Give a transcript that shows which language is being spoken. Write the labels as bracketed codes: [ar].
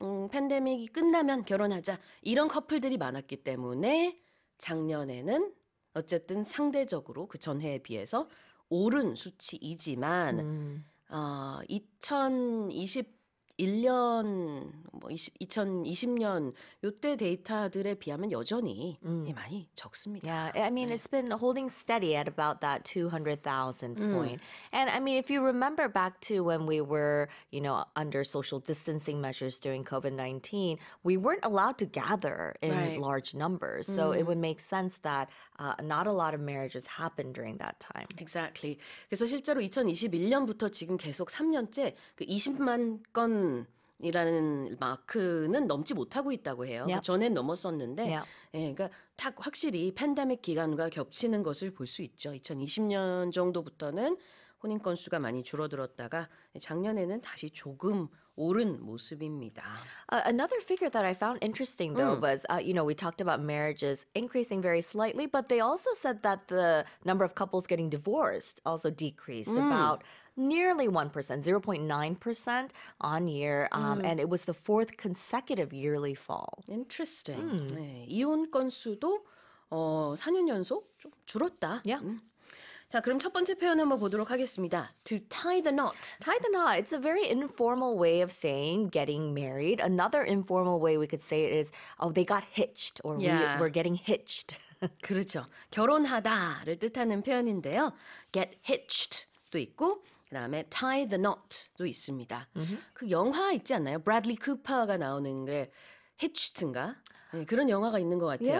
[ko] 팬데믹이 끝나면 결혼하자. 이런 커플들이 많았기 때문에 작년에는 어쨌든 상대적으로 그 전 해에 비해서 오른 수치이지만 2021년, 뭐 2020년 이때 데이터들에 비하면 여전히 많이 적습니다. [en] Yeah, I mean, it's been holding steady at about that 200,000 point. And I mean, if you remember back to when we were, under social distancing measures during COVID-19, we weren't allowed to gather in large numbers. So it would make sense that not a lot of marriages happened during that time. Exactly. [ko] 그래서 실제로 2021년부터 지금 계속 3년째 그 20만 건 이라는 마크는 넘지 못하고 있다고 해요. [en] Yep. [ko] 그 전엔 넘었었는데 그러니까 딱 확실히 팬데믹 기간과 겹치는 것을 볼 수 있죠. 2020년 정도부터는 혼인 건수가 많이 줄어들었다가 작년에는 다시 조금 오른 모습입니다. [en] Another figure that I found interesting though was we talked about marriages increasing very slightly, but they also said that the number of couples getting divorced also decreased about nearly 1%, 0.9% on year, and it was the fourth consecutive yearly fall. Interesting. [ko] 네, 이혼 건수도 4년 연속 좀 줄었다. [en] Yeah. [ko] 자, 그럼 첫 번째 표현 한번 보도록 하겠습니다. [en] To tie the knot. Tie the knot. It's a very informal way of saying getting married. Another informal way we could say it is, oh, they got hitched or we're getting hitched. [ko] 그렇죠. 결혼하다를 뜻하는 표현인데요. [en] Get hitched [ko] 도 있고, 그 다음에 [en] tie the knot [ko] 도 있습니다. Mm-hmm. 그 영화 있지 않나요? 브래들리 쿠퍼가 나오는 게 hitched인가? 네, 그런 영화가 있는 것 같아요.